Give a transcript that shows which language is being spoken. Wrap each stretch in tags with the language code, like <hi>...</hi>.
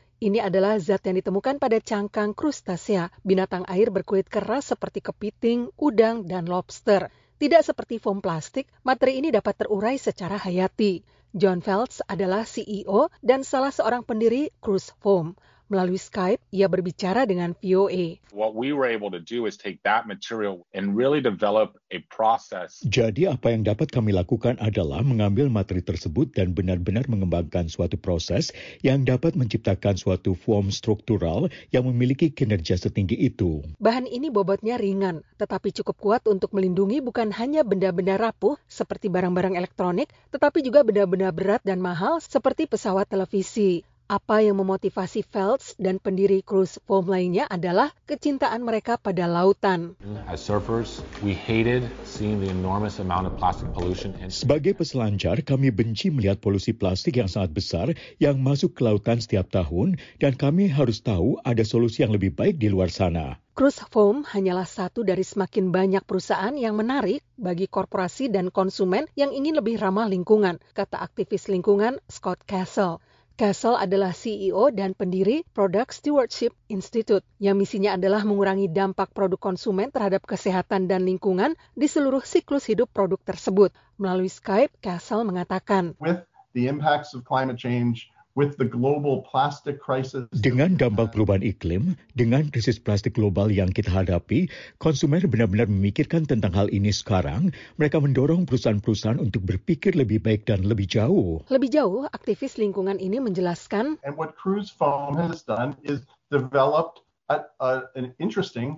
<id>Ini adalah zat yang ditemukan pada cangkang krustasea, binatang air berkulit keras seperti kepiting, udang, dan lobster. Tidak seperti foam plastik, materi ini dapat terurai secara hayati. John Feltz adalah CEO dan salah seorang pendiri Cruise Foam. Melalui Skype, ia berbicara dengan VOA.</id> <en>What we were able to do is take that material and really develop a process.</en> <id>Jadi apa yang dapat kami lakukan adalah mengambil materi tersebut dan benar-benar mengembangkan suatu proses yang dapat menciptakan suatu foam struktural yang memiliki kinerja setinggi itu. Bahan ini bobotnya ringan, tetapi cukup kuat untuk melindungi bukan hanya benda-benda rapuh seperti barang-barang elektronik, tetapi juga benda-benda berat dan mahal seperti pesawat televisi. Apa yang memotivasi Feltz dan pendiri Cruise Foam lainnya adalah kecintaan mereka pada lautan.</id> <en>As surfers, we hated seeing the enormous amount of plastic pollution.</en> <id>Sebagai peselancar, kami benci melihat polusi plastik yang sangat besar yang masuk ke lautan setiap tahun, dan kami harus tahu ada solusi yang lebih baik di luar sana. Cruise Foam hanyalah satu dari semakin banyak perusahaan yang menarik bagi korporasi dan konsumen yang ingin lebih ramah lingkungan, kata aktivis lingkungan Scott Castle. Castle adalah CEO dan pendiri Product Stewardship Institute, yang misinya adalah mengurangi dampak produk konsumen terhadap kesehatan dan lingkungan di seluruh siklus hidup produk tersebut. Melalui Skype, Castle mengatakan,</id> <en>with the impacts of climate change, with the global plastic crisis,</en> <id>dengan dampak perubahan iklim, dengan krisis plastik global yang kita hadapi, konsumen benar-benar memikirkan tentang hal ini sekarang. Mereka mendorong perusahaan-perusahaan untuk berpikir lebih baik dan lebih jauh. Lebih jauh, aktivis lingkungan ini menjelaskan,</id> <en>and what Cruise Foam has done is developed an interesting,</en>